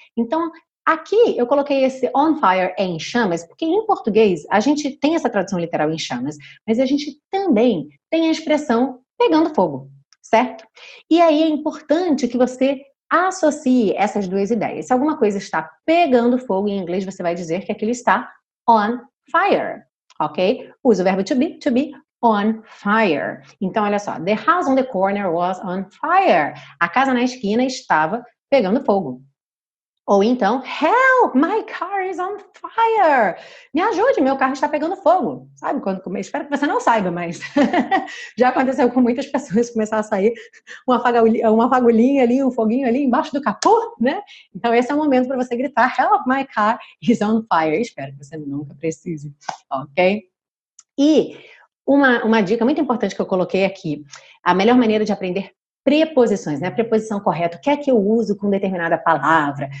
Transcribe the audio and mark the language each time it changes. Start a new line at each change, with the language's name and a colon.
Portuguese: Então, aqui eu coloquei esse on fire em chamas, porque em português a gente tem essa tradução literal em chamas, mas a gente também tem a expressão pegando fogo, certo? E aí é importante que você associe essas duas ideias. Se alguma coisa está pegando fogo, em inglês você vai dizer que aquilo está on fire, ok? Usa o verbo to be on fire. Então, olha só,
English: the house on the corner was on fire.
Portuguese: A casa na esquina estava pegando fogo. Ou então,
English: help, my car is on fire.
Portuguese: Me ajude, meu carro está pegando fogo. Sabe quando começa? Espero que você não saiba, mas já aconteceu com muitas pessoas começar a sair uma fagulhinha ali, um foguinho ali embaixo do capô, né? Então, esse é o momento para você gritar,
English: help, my car is on fire.
Portuguese: Espero que você nunca precise, ok? E uma dica muito importante que eu coloquei aqui, a melhor maneira de aprender preposições, né? A preposição correta, o que é que eu uso com determinada palavra?